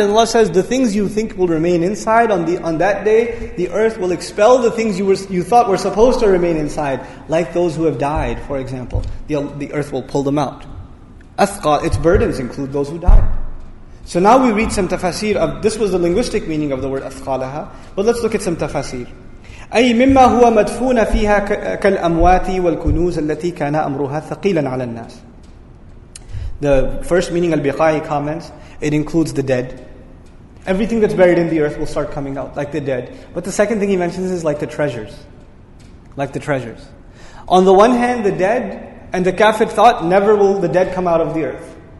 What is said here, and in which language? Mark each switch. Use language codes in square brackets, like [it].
[en] And Allah says, the things you think will remain inside on that day, the earth will expel the things you thought were supposed to remain inside. Like those who have died, for example. The earth will pull them out. Athqa, its burdens include those who died. So now we read some tafsir of, this was the linguistic meaning of the word athqalaha, but let's look at some tafsir. [ar] أي مما هو مدفون فيها كالأموات والكنوز التي كان أمرها ثقيلا على الناس. [en] The first meaning al-Biqai comments, it includes the dead. Everything that's buried in the earth will start coming out, like the dead. But the second thing he mentions is like the treasures. Like the treasures. On the one hand, the dead and the kafir thought, never will the dead come out of the earth.